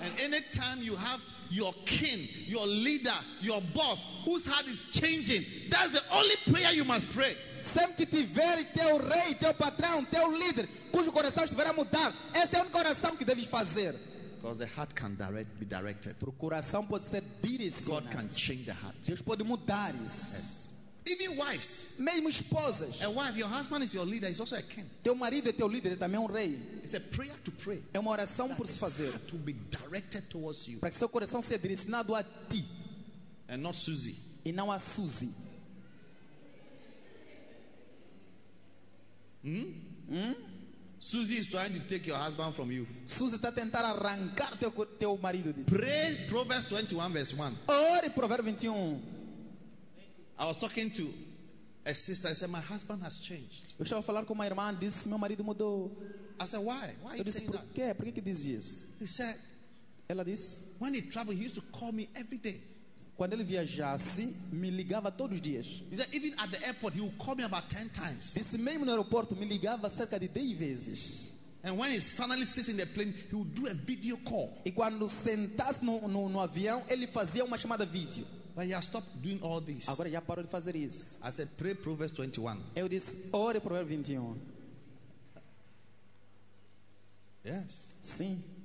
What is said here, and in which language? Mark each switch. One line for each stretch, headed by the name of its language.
English: And any time you have your king, your leader, your boss, whose heart is changing, that's the only prayer you must pray.
Portuguese: Sempre que tiver teu rei, teu patrão, teu líder, cujo coração estiver a mudar, esse é o coração que deves fazer.
English: Because the heart can be directed.
Portuguese: O coração pode ser direcionado.
English: God can change the heart.
Portuguese: Deus pode mudar isso.
English: Yes. Even wives.
Portuguese: Mesmo esposas.
English: A wife, your husband is your leader, he's also a king.
Portuguese: Teu marido é teu líder, também um rei.
English: It's a prayer to pray.
Portuguese: É uma oração por se fazer.
English: To be directed towards you.
Portuguese: Para que seu coração seja direcionado a ti.
English: And not Suzy.
Portuguese: E não a Suzy.
English: Suzy is trying to take your husband from you.
Portuguese: Suzy está tentando arrancar teu marido de ti.
English: Pray Proverbs 21 verse 1.
Portuguese: Ore Proverbs 21.
English: I was talking to a sister. I said, my husband has changed.
Portuguese: Eu estava a falar com uma irmã, disse, meu marido mudou.
English: I said, why? Why are you saying that?
Portuguese: Que? Por que diz isso?
English: He said,
Portuguese: ela disse,
English: when he traveled, he used to call me every day.
Portuguese: Quando ele viajasse, me ligava todos os dias.
English: He said, even at the airport, he would call me about 10 times.
Portuguese: Disse, mesmo no aeroporto, me ligava cerca de 10 vezes.
English: And when he finally sits in the plane, he would do a video call.
Portuguese: E quando sentasse no avião, ele fazia uma chamada vídeo.
English: But he has stopped doing all this.
Portuguese: Agora já parou de fazer isso.
English: I said, pray Proverbs 21.
Portuguese: Eu disse, ore Proverbs 21.
English: Yes.
Portuguese: Sim.